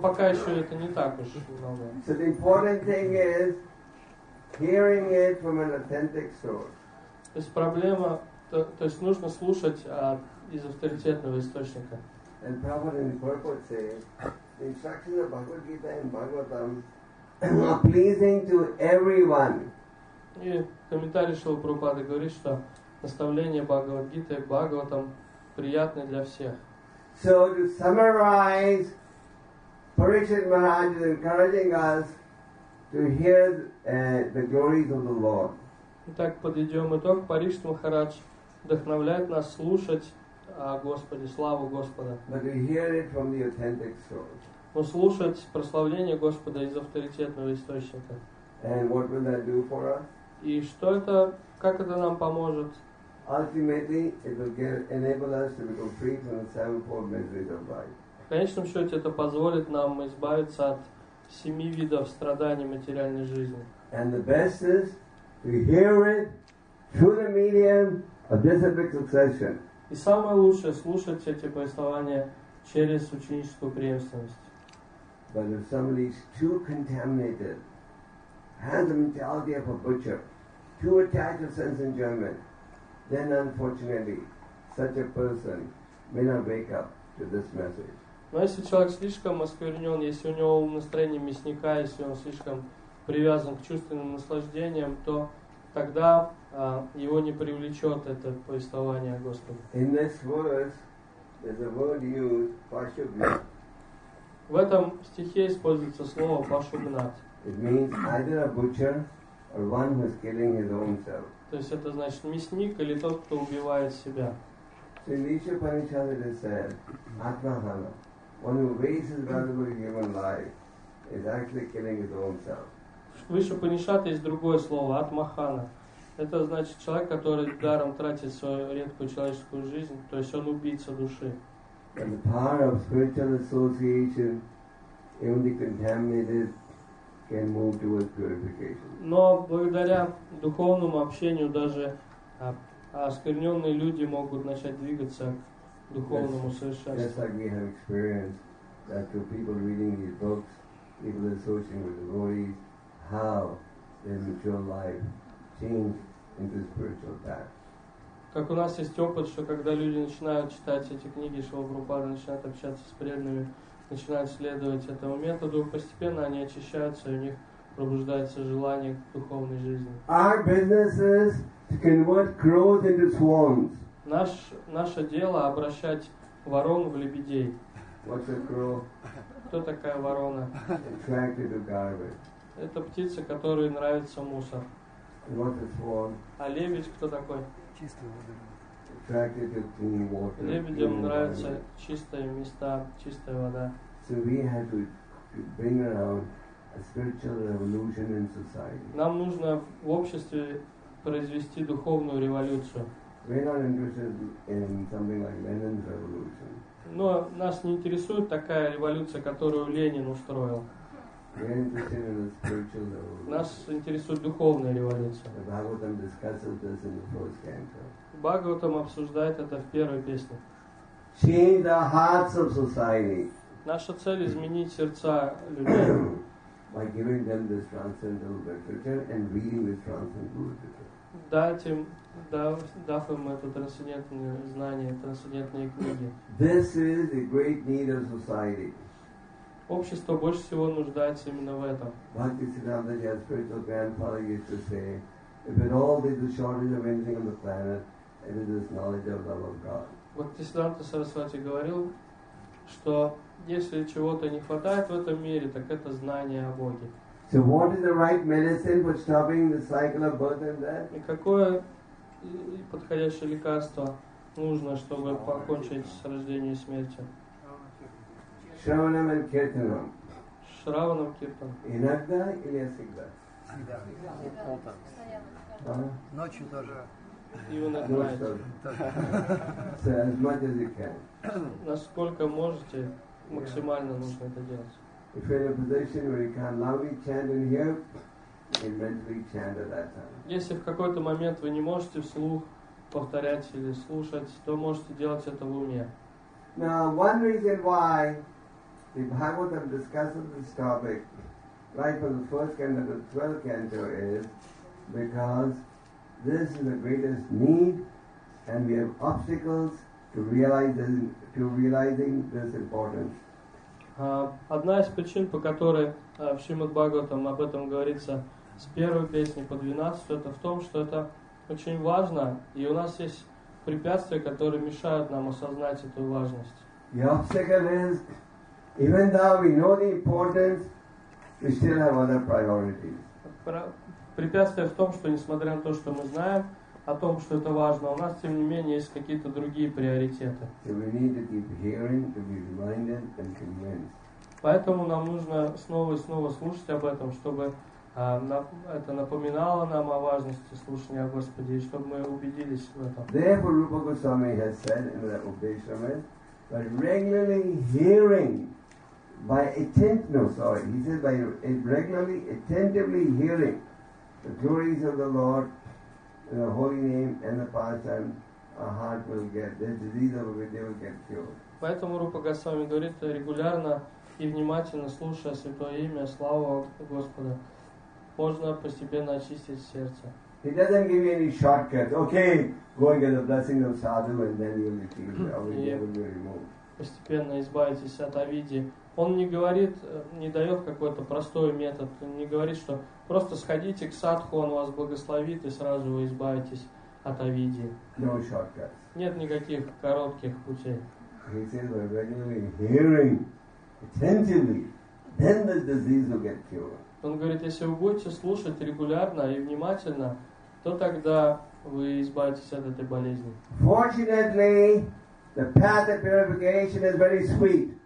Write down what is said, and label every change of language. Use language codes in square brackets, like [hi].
[ru] пока еще это не так уж много. [en] So the important thing is hearing it from an authentic source. [ru] То есть проблема То есть нужно слушать из авторитетного источника. [en] And Prabhupada in purport says, the instructions of Bhagavad Gita and Bhagavatam are pleasing to everyone. [ru] И комментарий Шрилы Прабхупады говорит, что наставления Бхагавад Гиты и Бхагаватам приятны для всех. [en] So to summarize, Parikshit Maharaj is encouraging us to hear the glories of the Lord. [ru] Итак, подведем итог. Парикшит Махарадж вдохновляет нас слушать о Господе, славу Господа. [en] But to hear it from the authentic source. [ru] Но слушать прославление Господа из авторитетного источника. [en] And what will that do for us? [ru] И что это, как это нам поможет? [en] Ultimately, it will enable us to become free from the sevenfold miseries of life. [ru] В конечном счете, это позволит нам избавиться от семи видов страданий материальной жизни. [en] And the best is to hear it through the medium of disciplic succession. [ru] И самое лучшее — слушать эти повествования через ученическую преемственность. [en] But if somebody is too contaminated, has the mentality of a butcher, too attached to sense enjoyment, then unfortunately, such a person may not wake up to this message. [ru] Но если человек слишком осквернен, если у него настроение мясника, если он слишком привязан к чувственным наслаждениям, то тогда его не привлечет это повествование о Господе. [en] In this verse, there's a word used, Pashugnat. [ru] В этом стихе используется слово Пашугнат. [en] It means either a butcher or one who is killing his own self. [ru] То есть это значит мясник или тот, кто убивает себя. [en] So in Lishya Parishad it is said, Atmahana, one who wastes his valuable human life is actually killing his own self. [ru] В Лишья Панишат есть другое слово, Атмахана. Это значит человек, который даром тратит свою редкую человеческую жизнь, то есть он убийца души. [en] And the power of spiritual association, even the contaminated, can move towards purification. [ru] Но благодаря духовному общению даже оскверненные люди могут начать двигаться к духовному совершенству. [en] Just like we have experienced that through people reading these books, people associating with devotees, how their mature life changed into spiritual path. [ru] Как у нас есть опыт, что когда люди начинают читать эти книги, Шрилы Прабхупады начинают общаться с преданными, начинают следовать этому методу, постепенно они очищаются, и у них пробуждается желание к духовной жизни. [en] Our business is to convert crows into swans. [ru] Наше дело — обращать ворон в лебедей. [en] What's a crow? [ru] Кто такая ворона? [en] Attracted to garbage. [ru] Это птица, которой нравится мусор. [en] What is swan? [ru] А лебедь кто такой? Чистый водород. Лебедям нравятся чистые места, чистая вода. [en] So we have to bring around a spiritual revolution in society. [ru] Нам нужно в обществе произвести духовную революцию. [en] We're not interested in something like Lenin's revolution. [ru] Но нас не интересует такая революция, которую Ленин устроил. [en] We're interested in a spiritual revolution. [ru] Нас интересует духовная революция. [en] The Bhagavatam discusses this in the first canto. [ru] Бхагаватам обсуждает это в первой песне. [en] Change the hearts of society. [ru] Наша цель — изменить сердца людей. [en] By giving them this transcendental literature and reading this transcendental literature. [ru] Дав им это трансцендентное знание, трансцендентные книги. [en] This is the great need of society. [ru] Общество больше всего нуждается именно в этом. [en] Bhakti Siddhanta Jaya's spiritual grandfather used to say, if at all there's a shortage of anything on the planet, it is this knowledge of love of God. [ru] Бхактисиддханта Сарасвати говорил, что если чего-то не хватает в этом мире, так это знание о Боге. [en] So what is the right medicine for stopping the cycle of birth and death? [ru] И какое подходящее лекарство нужно, чтобы покончить с рождением и смертью? [en] Shravanam and Kirtanam. [ru] Shravanam Kirtanam. Иногда или всегда? Всегда. Ночью тоже. [en] So as much as you can. [ru] Насколько можете, максимально нужно это делать. [en] If you're in a position where you can't loudly chant in here, then mentally chant at that time. [ru] Если в какой-то момент вы не можете вслух повторять или слушать, то можете делать это в уме. [en] Now one reason why the Bhagavatam discusses this topic right from the first canto to the 12th canto is because this is the greatest need and we have obstacles to realizing this importance. [ru] Одна из причин, по которой в Шримад-Бхагаватам об этом говорится с первой песни по 12, это в том, что это очень важно, и у нас есть препятствия, которые мешают нам осознать эту важность. [en] The obstacle is, even though we know the importance, we still have other priorities. [ru] Препятствие в том, что несмотря на то, что мы знаем о том, что это важно, у нас тем не менее есть какие-то другие приоритеты. [en] So we need to keep hearing, to be reminded and convinced. [ru] Поэтому нам нужно снова и снова слушать об этом, чтобы это напоминало нам о важности слушания о Господе, и чтобы мы убедились в этом. [en] Therefore, Rupa Goswami has said in the Upadeshamrita, by regularly hearing, regularly attentively hearing the glories of the Lord, the holy name, and the pastime, our heart will get, the disease of Upadesha will get cured. [ru] Поэтому Рупа Госвами говорит, регулярно и внимательно слушая Святое Имя, славу Господа, можно постепенно очистить сердце. [en] He doesn't give you any shortcuts. Okay, go and get the blessing of sadhu and then you'll be removed. [ru] Постепенно избавитесь от авиди. Он не говорит, не дает какой-то простой метод, не говорит, что просто сходите к садху, он вас благословит и сразу вы избавитесь от авиди. [en] No shortcuts. [ru] Нет никаких коротких путей. [en] He says, by regularly hearing, attentively, then the disease will get cured. [ru] Он говорит, если вы будете слушать регулярно и внимательно, то тогда вы избавитесь от этой болезни. [en] Fortunately, the path of purification is very sweet.